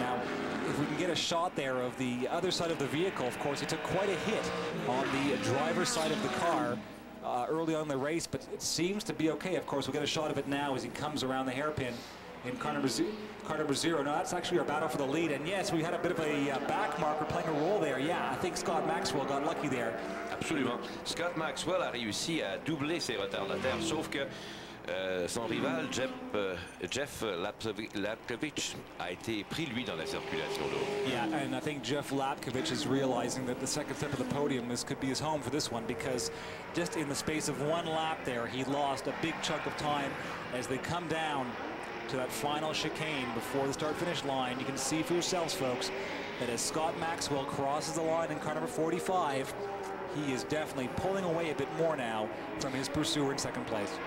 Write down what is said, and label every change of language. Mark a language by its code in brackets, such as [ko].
[en] Now, if we can get a shot there of the other side of the vehicle, of course, he took quite a hit on the driver's side of the car early on in the race, but it seems to be okay. Of course, we'll get a shot of it now as he comes around the hairpin in car number zero. Now, that's actually our battle for the lead. And yes, we had a bit of a back marker playing a role there. Yeah, I think Scott Maxwell got lucky there. [fr] Absolument. Scott Maxwell a réussi à doubler ses retardataires, sauf que son rival, Jeff Lapkovic, a été pris, lui, dans la circulation. [en] Yeah, and I think Jeff Lapkovic is realizing that the second step of the podium could be his home for this one, because just in the space of one lap there, he lost a big chunk of time as they come down to that final chicane before the start-finish line. You can see for yourselves, folks, that as Scott Maxwell crosses the line in car number 45, he is definitely pulling away a bit more now from his pursuer in second place.